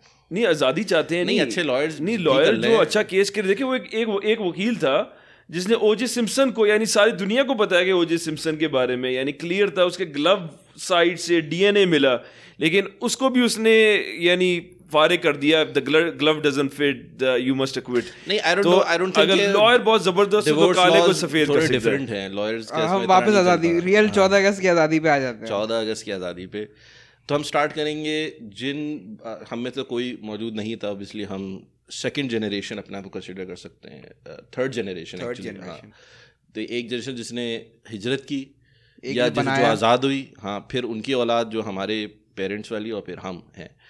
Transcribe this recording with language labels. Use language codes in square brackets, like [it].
[ur] نہیں آزادی چاہتے ہیں, نہیں اچھے لائر. نہیں لائر جو اچھا کیس کرے, دیکھیں وہ ایک وکیل تھا جس نے او جے سمپسن کو, یعنی ساری دنیا کو بتایا گیا او جے سمپسن کے بارے میں, یعنی کلیئر تھا, اس کے گلو سائڈ سے ڈی این اے ملا, لیکن اس کو بھی اس نے یعنی فارغ کر دیا. [en] If the glove doesn't fit you must acquit. نہیں I don't know, I don't think. اگر [ur] لائر بہت زبردست ہو تو کالے کو سفید کر سکتے ہیں, ڈیفرنٹ ہیں لائرز. ہم واپس آزادی, ریئل 14 اگست کی آزادی پہ آ جاتے ہیں. 14 اگست کی آزادی پہ تو ہم سٹارٹ کریں گے. جن ہم میں تو کوئی موجود نہیں تھا, اوبیسلی ہم سیکنڈ جنریشن اپنے آپ کو کنسیڈر کر سکتے ہیں, تھرڈ جنریشن تو ایک جنریشن جس نے ہجرت کی یا جس جو آزاد ہوئی, ہاں پھر ان کی اولاد جو ہمارے پیرنٹس والی اور پھر ہم ہیں.